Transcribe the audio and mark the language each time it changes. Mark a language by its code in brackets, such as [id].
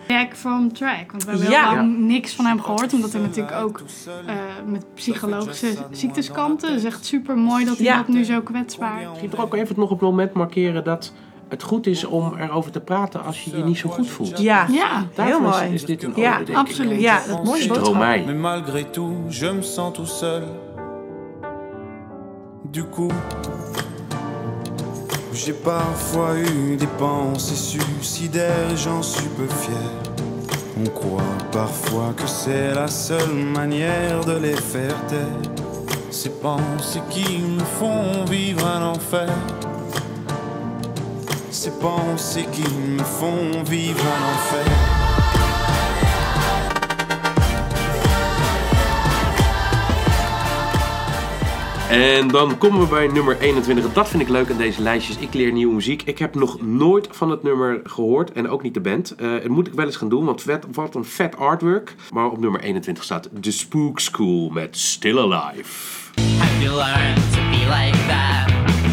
[nl] Back from track, want we hebben heel lang niks van hem gehoord, omdat hij natuurlijk ook met psychologische ziektes kampte. Dus echt super mooi dat hij dat nu zo kwetsbaar. Ik wil ook even nog op het moment markeren dat... Het goed is om erover te praten als je je niet zo goed voelt. Ja, heel mooi. Is dit een orde, absoluut. Ja, dat mooie boodschap. Stromae. [fr] Mais malgré tout, je me sens tout seul. Du coup, j'ai parfois eu des pensées suicidaires, j'en suis peu fier. On croit parfois que c'est la seule manière de les faire taire. Ces pensées qui me font vivre un enfer. Ces pensées qui me font vivre un enfer. [nl] En dan komen we bij nummer 21. Dat vind ik leuk aan deze lijstjes. Ik leer nieuwe muziek. Ik heb nog nooit van het nummer gehoord en ook niet de band. Dat moet ik wel eens gaan doen, want wat een vet artwork. Maar op nummer 21 staat The Spook School met Still Alive. [en] Have you learned to be like that?